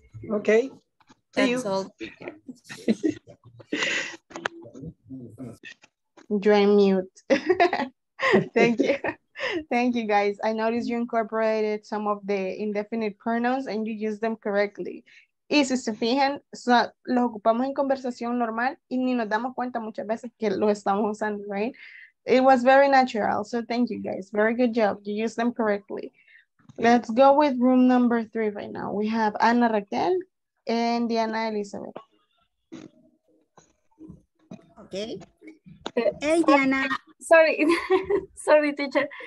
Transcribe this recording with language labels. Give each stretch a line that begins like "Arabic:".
English: Okay. That's all. Join mute. Thank you. Thank you, guys. I noticed you incorporated some of the indefinite pronouns and you use them correctly.
Spanish: Y si se fijan, los ocupamos en conversación normal y ni nos damos cuenta muchas veces que lo estamos usando,
English: right? It was very natural. So thank you, guys. Very good job. You use them correctly. Let's go with room number three right now. We have Ana Raquel and Diana Elizabeth. Okay. Hey, Diana. Sorry, sorry, teacher.